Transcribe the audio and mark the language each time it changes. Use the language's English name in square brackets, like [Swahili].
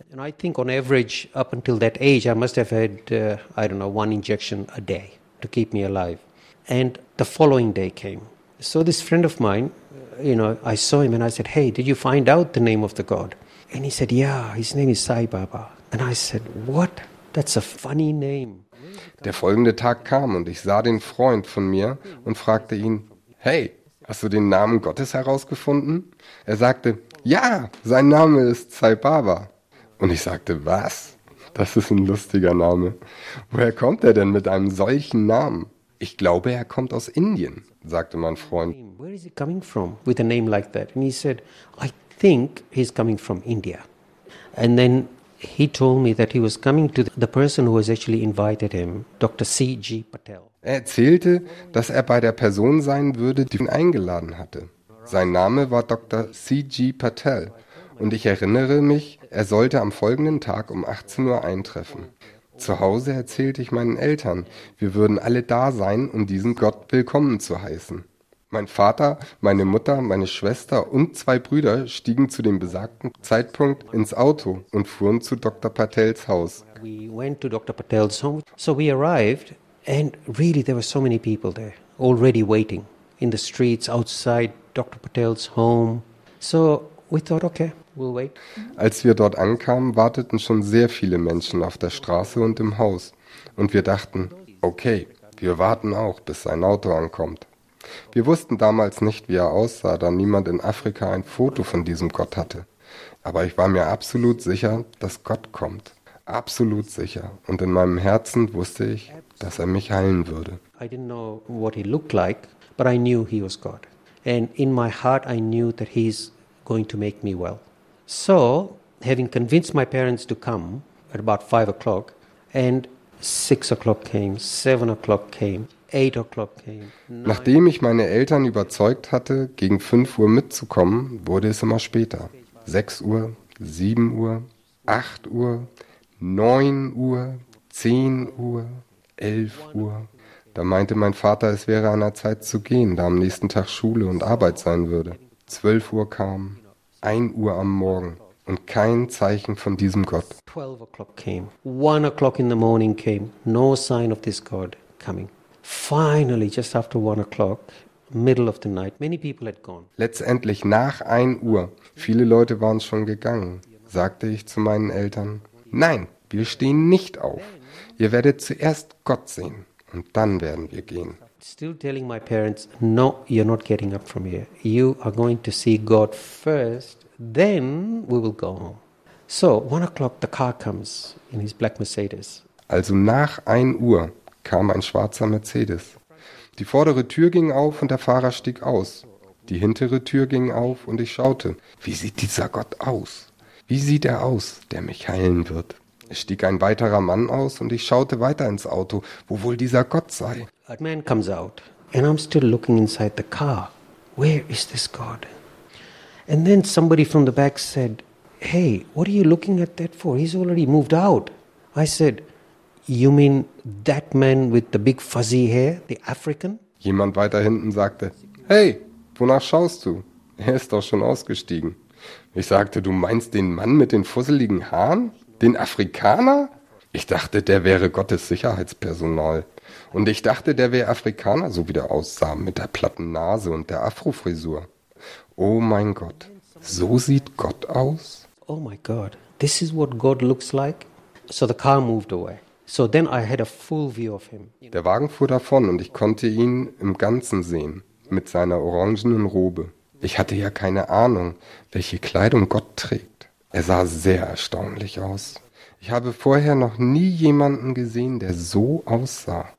[English] And I think on average up until that age I must have had I don't know one injection a day to keep me alive. And the following day came. So this friend of mine, you know, I saw him and I said, hey, did you find out the name of the God? And he said, yeah, his name is Sai Baba. And I said, what? That's a funny name. [German] Der folgende Tag kam und ich sah den Freund von mir und fragte ihn, hey, hast du den Namen Gottes herausgefunden? Er sagte, ja, sein Name ist Sai Baba. Und ich sagte, was? Das ist ein lustiger Name. Woher kommt er denn mit einem solchen Namen? Ich glaube, er kommt aus Indien, sagte mein Freund. Where is he coming from with a name like that? And he said, I think he's coming from India. And then he told me that he was coming to the person who has actually invited him, Dr. C. G. Patel. Er erzählte, dass er bei der Person sein würde, die ihn eingeladen hatte. Sein Name war Dr. C. G. Patel. Und ich erinnere mich, er sollte am folgenden Tag um 18 Uhr eintreffen. Zu Hause erzählte ich meinen Eltern, wir würden alle da sein, um diesen Gott willkommen zu heißen. Mein Vater, meine Mutter, meine Schwester und zwei Brüder stiegen zu dem besagten Zeitpunkt ins Auto und fuhren zu Dr. Patels Haus. [English] We went to Dr. Patel's home. So we arrived and really there were so many people there, already waiting in the streets outside Dr. Patel's home. So we thought, okay, we'll wait. [German] Als wir dort ankamen, warteten schon sehr viele Menschen auf der Straße und im Haus. Und wir dachten, okay, wir warten auch, bis sein Auto ankommt. Wir wussten damals nicht, wie er aussah, da niemand in Afrika ein Foto von diesem Gott hatte. Aber ich war mir absolut sicher, dass Gott kommt. Absolut sicher. Und in meinem Herzen wusste ich, dass er mich heilen würde. [English] I didn't know what he looked like, but I knew he was God. And in my heart I knew that he's going to make me well. So, having convinced my parents to come at about 5 o'clock, and 6 o'clock came, 7 o'clock came, 8 o'clock came. [German] Nachdem ich meine Eltern überzeugt hatte, gegen 5 Uhr mitzukommen, wurde es immer später. 6 Uhr, 7 Uhr, 8 Uhr, 9 Uhr, 10 Uhr, 11 Uhr. Da meinte mein Vater, es wäre an der Zeit zu gehen, da am nächsten Tag Schule und Arbeit sein würde. 12 Uhr kam, 1 Uhr am Morgen und kein Zeichen von diesem Gott. [English] 12 o'clock came, 1 o'clock in the morning came, no sign of this God coming. Finally, just after 1 o'clock, middle of the night, many people had gone. [German] Letztendlich nach 1 Uhr, viele Leute waren schon gegangen, sagte ich zu meinen Eltern, nein, wir stehen nicht auf. Ihr werdet zuerst Gott sehen und dann werden wir gehen. [English] Still telling my parents, no, you're not getting up from here. You are going to see God first, then we will go home. So, 1 o'clock, the car comes in his black Mercedes. [German] Also nach 1 Uhr kam ein schwarzer Mercedes. Die vordere Tür ging auf und der Fahrer stieg aus. Die hintere Tür ging auf und ich schaute, wie sieht dieser Gott aus? Wie sieht er aus, der mich heilen wird? Es stieg ein weiterer Mann aus und ich schaute weiter ins Auto, wo wohl dieser Gott sei. [English] A man comes out and I'm still looking inside the car. Where is this God? And then somebody from the back said, hey, what are you looking at that for? He's already moved out. I said, you mean that man with the big fuzzy hair, the African? [German] Jemand weiter hinten sagte, hey, wonach schaust du? Er ist doch schon ausgestiegen. Ich sagte, du meinst den Mann mit den fusseligen Haaren? Den Afrikaner? Ich dachte, der wäre Gottes Sicherheitspersonal. Und ich dachte, der wäre Afrikaner, so wie der aussah, mit der platten Nase und der Afrofrisur. Oh mein Gott, so sieht Gott aus? [English] Oh my God, this is what God looks like? So the car moved away. So then I had a full view of him. [German] Der Wagen fuhr davon und ich konnte ihn im Ganzen sehen, mit seiner orangenen Robe. Ich hatte ja keine Ahnung, welche Kleidung Gott trägt. Er sah sehr erstaunlich aus. Ich habe vorher noch nie jemanden gesehen, der so aussah.